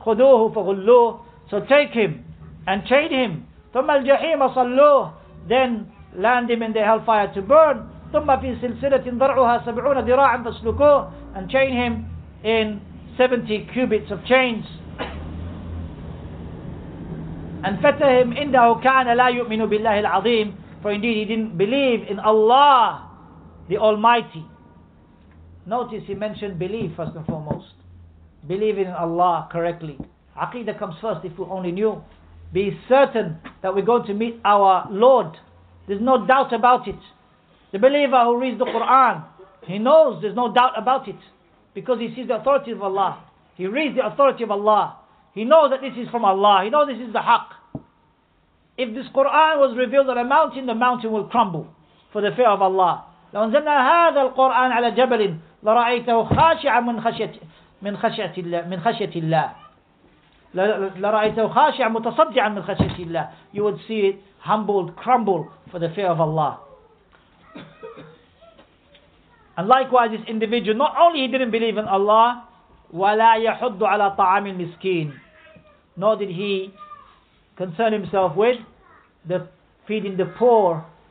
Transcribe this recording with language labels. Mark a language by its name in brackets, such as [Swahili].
[Arabic] خُذُوهُ فَغُلُّوهُ. [English] So take him and chain him. [Arabic] ثُمَّ الْجَحِيمَ صَلُّوهُ. [English] Then land him in the hellfire to burn. [Arabic] ثُمَّ فِي سِلْسِلَةٍ ضَرْعُهَا سَبْعُونَ ذِرَاعًا فَسْلُكُوهُ. [English] And chain him in 70 cubits of chains. [Arabic] And فَتَّ him إِنَّهُ كَانَ لَا يُؤْمِنُ بِاللَّهِ الْعَظِيمِ. [English] For indeed he didn't believe in Allah, the Almighty. Notice he mentioned belief first and foremost. Believing in Allah correctly. Aqidah comes first if we only knew. Be certain that we're going to meet our Lord. There's no doubt about it. The believer who reads the Quran, he knows there's no doubt about it. Because he sees the authority of Allah. He reads the authority of Allah. He knows that this is from Allah. He knows this is the haqq. If this Quran was revealed on a mountain, the mountain will crumble for the fear of Allah. [Arabic] لو انزلنا هذا القرآن على جبل لرأيته خاشعا من خشية الله لرأيته خاشعا متصدعا من خشية الله. [English] You would see it humbled, crumble for the fear of Allah. And likewise this individual, not only he didn't believe in Allah, [Arabic] ولا يحض على طعام المسكين, [English] nor did he concern himself with the feeding the poor.